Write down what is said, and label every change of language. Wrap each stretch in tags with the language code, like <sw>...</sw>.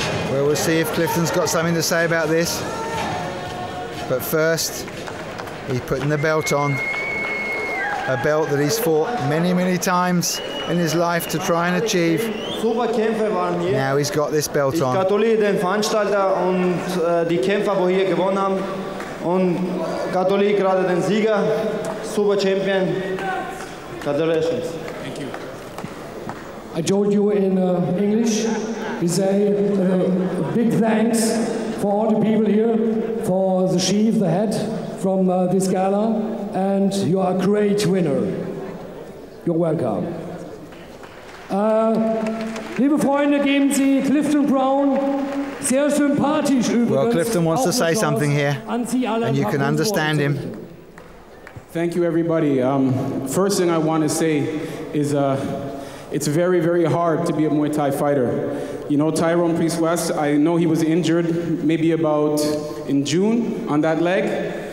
<en>Well, we'll see if Clifton's got something to say about this. But first, he's putting the belt on. A belt that he's fought many, many times in his life to try and achieve.</en> <de>Super Kämpfe waren hier.</de> <en>Now he's got this belt on.</en> <de>Ich gratuliere den Veranstalter und die Kämpfer, die hier gewonnen haben. Und gratuliere gerade den Sieger, Super Champion.</de> <en>Congratulations. Thank you. I told you in English, we say a big thanks for all the people here, for the sheaf, the head from this gala. And you are a great winner. You're welcome.</en> <de>Liebe Freunde, geben Sie Clifton Brown sehr sympathisch übrigens.</de> <en>Well, Clifton wants to say something here, and you can understand him. Thank you, everybody. First thing I want to say is it's very, very hard to be a Muay Thai fighter. You know, Tyron Priest-West, I know he was injured maybe about in June on that leg.</en>